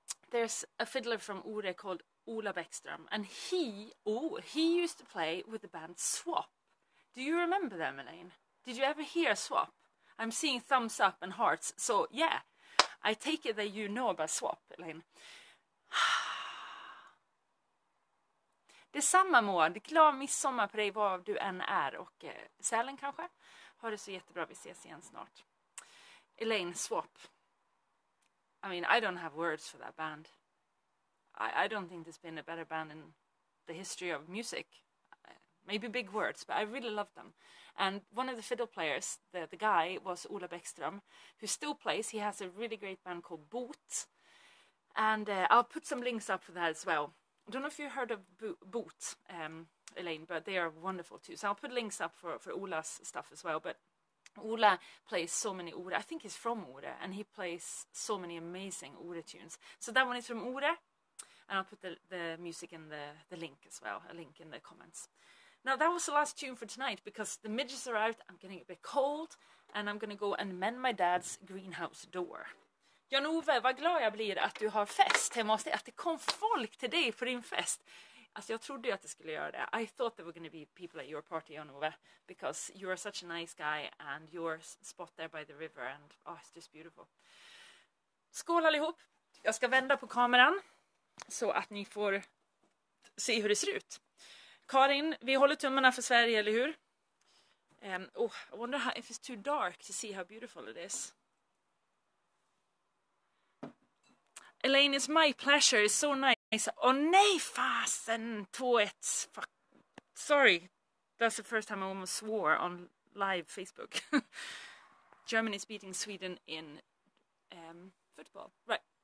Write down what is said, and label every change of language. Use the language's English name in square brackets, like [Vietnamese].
[English] There's a fiddler from Ore called Ola Bäckström. And he used to play with the band Swap. Do you remember them, Elaine? Did you ever hear Swap? I'm seeing thumbs up and hearts. So, yeah, I take it that you know about Swap, Elaine. [Swedish] Detsamma, Maud. Glad midsommar på dig, var du än är. Och Sälen kanske. Ha det så jättebra, vi ses igen snart. Elaine, Swap. [English] I mean, I don't have words for that band. I don't think there's been a better band in the history of music. Maybe big words, but I really love them. And one of the fiddle players, the guy, was Ola Bäckström, who still plays. He has a really great band called Boot. And I'll put some links up for that as well. I don't know if you heard of Boot, Elaine, but they are wonderful too. So I'll put links up for Ola's stuff as well. But Ola plays so many Ore. I think he's from Ore, and he plays so many amazing Ore tunes. So that one is from Ore, and I'll put the music in the link as well, a link in the comments. Now, that was the last tune for tonight, because the midges are out, I'm getting a bit cold, and I'm going to go and mend my dad's greenhouse door. [Swedish] Jan-Ove, vad glad jag blir att du har fest hemma hos dig, att det kom folk till dig på din fest. Alltså, jag trodde ju att det skulle göra det. [English] I thought there were going to be people at your party, Jan-Ove, because you are such a nice guy, and your spot there by the river, and oh, it's just beautiful. [Swedish] Skål allihop! Jag ska vända på kameran, så att ni får se hur det ser ut. Karin, vi håller tummarna för Sverige, eller hur? [English] I wonder how, if it's too dark to see how beautiful it is. Elaine, it's my pleasure. It's so nice. Oh, [Swedish] nej, fasen, tåget. [English] Fuck. Sorry. That's the first time I almost swore on live Facebook. Germany's beating Sweden in football. Right.